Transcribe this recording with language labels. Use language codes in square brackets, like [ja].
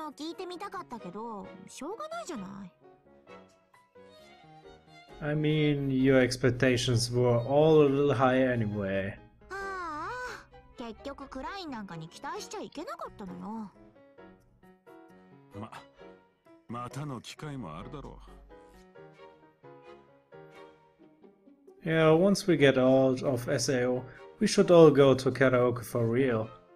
[ja] も聞いてみたかったけど、しょうがないじゃない。 [en] I mean, your expectations were all a little high anyway. [ja] ああ、結局クラインなんかに期待しちゃいけなかったのよ。ま、またの機会もあるだろう。 [en] Yeah, once we get out of SAO, we should all go to karaoke for real.